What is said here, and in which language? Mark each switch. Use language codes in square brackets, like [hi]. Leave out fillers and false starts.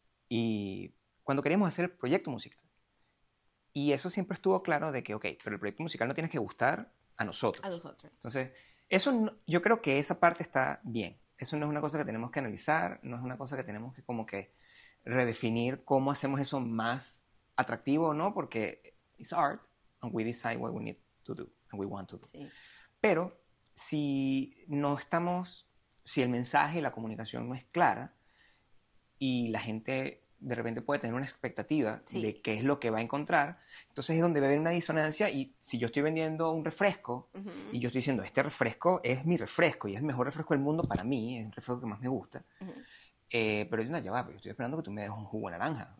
[es] Y cuando queríamos hacer el proyecto musical, y eso siempre estuvo claro de que, ok, pero el proyecto musical no tienes que gustar a nosotros. A nosotros. Entonces, eso no, yo creo que esa parte está bien. Eso no es una cosa que tenemos que analizar, no es una cosa que tenemos que como que redefinir cómo hacemos eso más atractivo o no, porque [en] it's art. And we decide what we need to do, and we want to do. [es] Sí. Pero si no estamos, si el mensaje y la comunicación no es clara, y la gente de repente puede tener una expectativa de qué es lo que va a encontrar, entonces es donde va a haber una disonancia, y si yo estoy vendiendo un refresco, y yo estoy diciendo, este refresco es mi refresco, y es el mejor refresco del mundo para mí, es el refresco que más me gusta, pero yo estoy esperando que tú me des un jugo de naranja.